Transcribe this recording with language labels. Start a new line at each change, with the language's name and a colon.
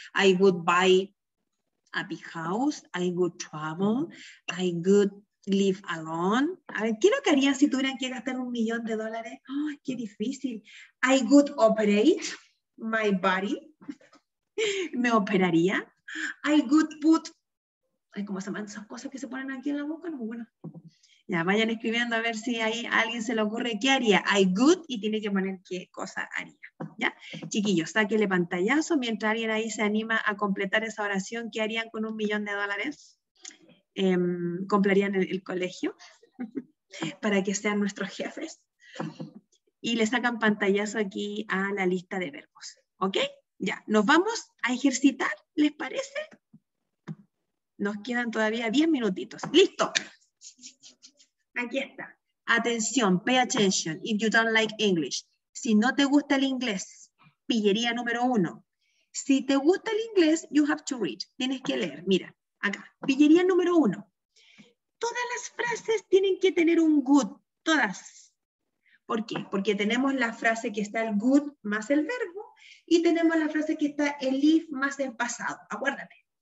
English: I would buy a big house, I would travel, I could live alone.
Spanish: A ver, ¿qué es lo que harían si tuvieran que gastar $1,000,000? ¡Ay, oh, qué difícil!
English: I would operate my body.
Spanish: Me operaría.
English: I would put...
Spanish: Ay, ¿cómo se llaman esas cosas que se ponen aquí en la boca? No, bueno. Ya, vayan escribiendo a ver si ahí a alguien se le ocurre qué haría.
English: I would,
Spanish: y tiene que poner qué cosa haría. ¿Ya? Chiquillos, sáquenle pantallazo mientras alguien ahí se anima a completar esa oración. ¿Qué harían con $1,000,000? Comprarían el colegio para que sean nuestros jefes y le sacan pantallazo aquí a la lista de verbos. ¿Ok? Ya, nos vamos a ejercitar, ¿les parece? Nos quedan todavía 10 minutitos. ¡Listo! Aquí está.
English: Atención, pay attention if you don't like English.
Spanish: Si no te gusta el inglés, pillería número uno. Si te gusta el inglés,
English: you have to read.
Spanish: Tienes que leer, mira. Acá, pillería número uno. Todas las frases tienen que tener un good, todas. ¿Por qué? Porque tenemos la frase que está el good más el verbo y tenemos la frase que está el if más el pasado. Acuérdate.